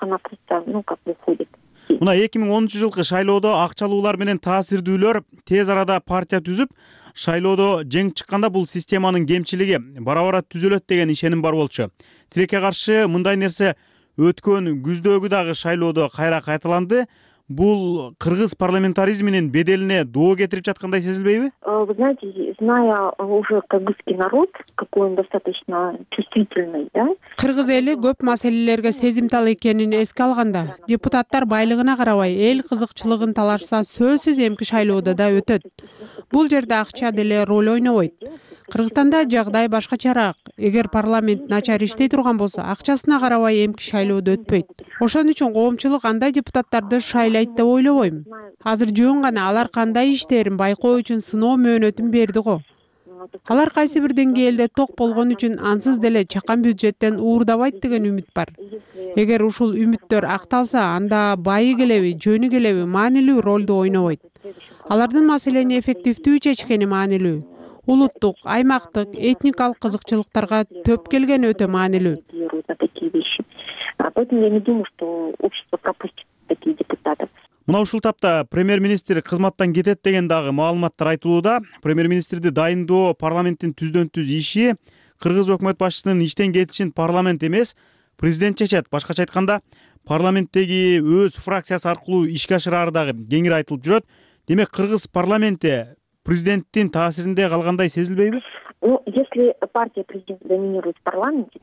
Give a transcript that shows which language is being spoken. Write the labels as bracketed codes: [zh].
[ky] Мына 2010 жылкы шайлоодо акчалуулар менен таасирдүүлөр тез арада партия түзүп, шайлоодо жеңип чыкканда бул системанын кемчилиги бара-бара түзөлөт деген ишеним бар болчу. Тилекке каршы мындай нерсе өткөн күздөгү дагы шайлоодо кайра кайталанды. Бул кыргыз парламентаризминин беделине доо кетирип жаткандай сезилбейби? [ru] Вы знаете, зная уже кыргызский народ, какой он достаточно чувствительный, да? [ky] Кыргыз эли көп маселелерге сезимтал экенин эске алганда, депутаттар байлыгына карабай, эл кызыкчылыгын талашса, сөзсүз эмки шайлоодо да өтөт. Бул жерде акча деле роль ойнобойт. Кыргызстанда жагдай башкачараак. Эгер парламент начар иштей турган болсо, акчасына карабай эмки шайлоодо өтпөйт. Ошон үчүн коомчулук андай депутаттарды шайлайт деп ойлобойм. Азыр жөн гана алар кандай иштерин байкоо үчүн сыноо мөөнөтүн берди го. Алар кайсы бир деңгээлде ток болгон үчүн ансыз деле чакан бюджеттен уурдабайт деген үмүт бар. Эгер ушул үмүттөр акталса, анда байы келеби, жөнү келеби маанилүү ролду ойнобойт. Алардын маселени эффективдүү чечкени маанилүү. Улуттук, аймактык, этникалык кызыкчылыктарга төп келген өтө маанилүү. [ru] Поэтому я не думаю, что общество пропустит таких депутатов. [ky] Мына ушул тапта премьер-министр кызматтан кетет деген дагы маалыматтар айтылууда. Премьер-министрди дайындоо парламенттин түздөн-түз иши, кыргыз өкмөт башчысынын иштен кетишин парламент эмес, президент чечет. Башкача айтканда, парламенттеги өз фракциясы аркылуу ишке ашыраары дагы кеңири айтылып жүрөт. Демек, кыргыз парламенти президенттин таасиринде калгандай сезилбейби? [ru] Ну, если партия президента доминирует в парламенте...